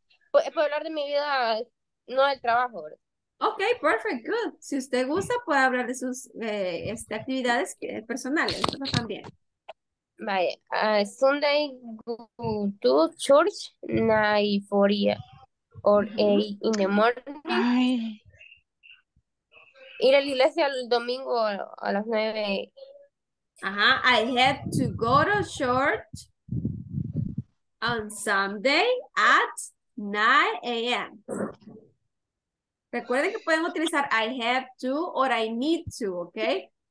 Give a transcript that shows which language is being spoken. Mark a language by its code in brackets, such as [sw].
[es] ¿Puedo hablar de mi vida, no del trabajo, ¿verdad? [en] Ok, perfect, good. [es] Si usted gusta, puede hablar de sus actividades personales, eso también. [en] Bye. Sunday, go to church, 9:40 or 8 in the morning. Ay. [es] Ir a la iglesia el domingo a las 9. [en] Ajá, I have to go to church on Sunday at 9 a.m. [es] Recuerden que pueden utilizar [en] I have to or I need to, [es] ¿ok?